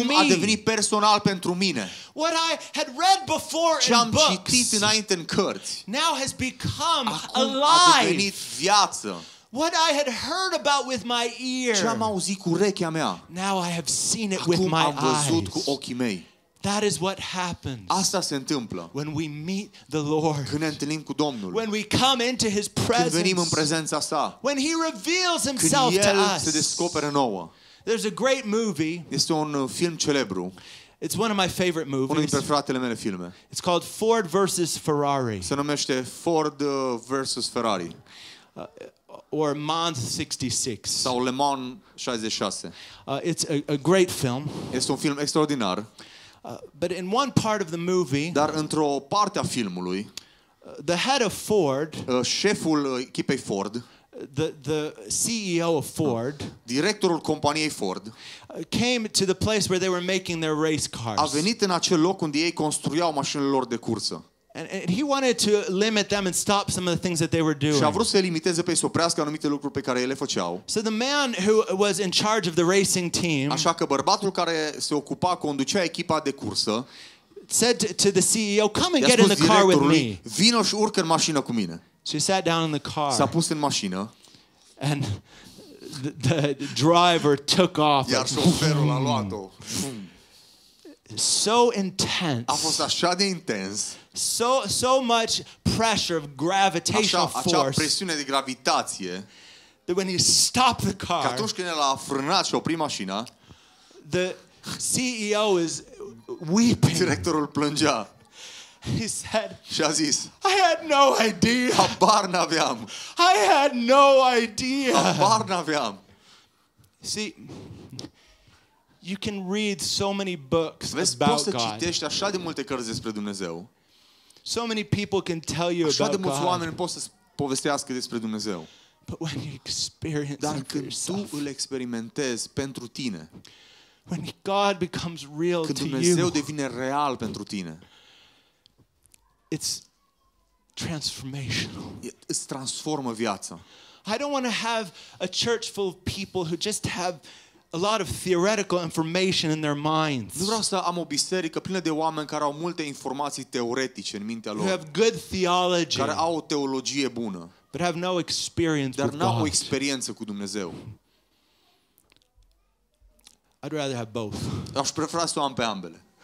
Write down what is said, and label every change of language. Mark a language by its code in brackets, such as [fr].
[ro] Acum a devenit personal pentru mine. [en] What I had read before [ro] ce [en] in books. [ro] Ce am citit înainte în cărți. [en] Now has become [ro] acum [en] alive. [ro] A devenit viață. [en] What I had heard about with my ear. [ro] Ce am auzit cu urechea mea. [en] Now I have seen it [ro] acum [en] with my eyes. [ro] Acum am văzut cu ochii mei. [en] That is what happens. [ro] Asta se întâmplă. [en] When we meet the Lord. [ro] Când ne întâlnim cu Domnul. [en] When we come into his presence. [ro] Când venim în prezența sa. [en] When he reveals himself to us. [ro] Când El se descoperă nouă. [en] There's a great movie. [ro] Este un film celebru. [en] It's one of my favorite movies. [ro] Unul dintre fratele mele filme. [en] It's called Ford versus Ferrari. [ro] Se numește Ford versus Ferrari. [en] Or Mans 66. [ro] Sau Le Mans 66. [en] It's a great film. [ro] Este un film extraordinar. [en] But in one part of the movie. [ro] Dar într-o parte a filmului. [en] The head of Ford. [ro] Șeful echipei Ford. [en] The CEO of Ford. [ro] Directorul companiei Ford. [en] Came to the place where they were making their race cars. [ro] A venit în acel loc unde ei construiau mașinile lor de cursă. [en] And he wanted to limit them and stop some of the things that they were doing. [ro] Și a vrut să limiteze pe ei, să oprească anumite lucruri pe care ele făceau. [en] So the man who was in charge of the racing team. [ro] Așa că bărbatul care se ocupa, conducea echipa de cursă. [en] Said to the CEO, come and get in the car with me. [ro] Vino și urcă în mașină cu mine. [en] So he sat down in the car. [ro] S-a pus în mașină. [en] And the driver took off. [ro] Iar șoferul a luat-o. [en] So intense. [ro] A fost așa de intens. [en] So much pressure of gravitational force. [ro] Așa presiune de gravitație. [en] That when he stopped the car. [ro] Că atunci când el a frânat și oprit mașina. [en] The CEO is weeping. [ro] Directorul plângea. [en] He said. [ro] Și a zis. [en] I had no idea. [ro] Habar n-aveam. [en] I had no idea. [ro] Habar n-aveam. [en] See. You can read so many books [ro] vezi, [en] about God. [ro] Vezi, poți să citești așa de multe cărți despre Dumnezeu. [en] So many people can tell you [ro] așa [en] about God. [ro] Așa de mulți oameni pot să povestească despre Dumnezeu. [en] But when you experience [ro] dar când tu îl experimentezi pentru tine. [en] When God becomes real [ro] când [en] to [ro] Dumnezeu [en] you. [ro] Dumnezeu devine real pentru tine. [en] It's transformational. [ro] Îți transformă viața. [en] I don't want to have a church full of people who just have a lot of theoretical information in their minds. [ro] Nu vreau să am o biserică plină de oameni care au multe informații teoretice în mintea lor. [en] Who have good theology. [ro] Care au o teologie bună. [en] But have no experience with God. Dar [ro] n-au o experiență cu Dumnezeu. [en] I'd rather have both. [ro] Aș prefera să o am pe ambele.